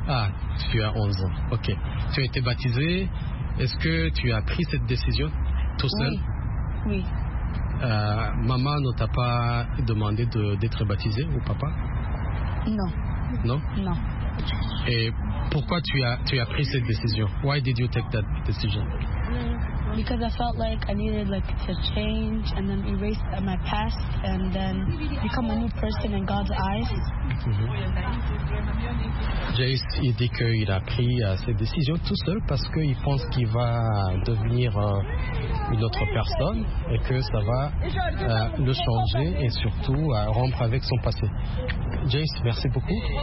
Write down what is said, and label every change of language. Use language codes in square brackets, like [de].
[fr] Ah, tu as 11 ans. Ok. Tu as été baptisé. Est-ce que tu as pris cette décision tout seul? Oui. Maman ne t'a pas demandé d'être baptisé ou papa? Non. Et pourquoi tu as pris cette décision? [en] Why did you take that decision? Because I felt like I needed like to change and then erase my past and then become a new person in God's eyes. Mm-hmm. [fr] Jace, il dit qu'il a pris cette décision tout seul parce qu'il pense qu'il va devenir une autre personne et que ça va le changer et surtout rompre avec son passé. Jace, merci beaucoup.